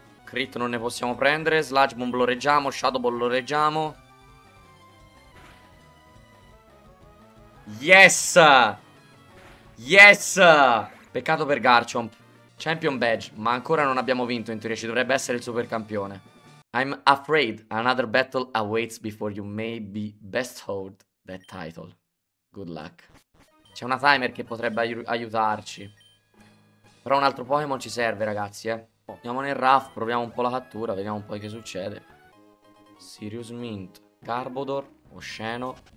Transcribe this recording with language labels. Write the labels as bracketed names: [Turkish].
[Italian] Crit non ne possiamo prendere. Sludge Bomb lo reggiamo. Shadow Ball lo reggiamo. [English] Yes! Yes! [Italian] Peccato per Garchomp. Champion Badge. Ma ancora non abbiamo vinto, in teoria. Ci dovrebbe essere il supercampione. [English] I'm afraid another battle awaits before you may be best hold that title. Good luck. [Italian] C'è una timer che potrebbe aiutarci. Però un altro Pokémon ci serve, ragazzi, Andiamo nel rough, proviamo un po' la cattura, vediamo un po' che succede. Sirius Mint, Garbodor, Osceno.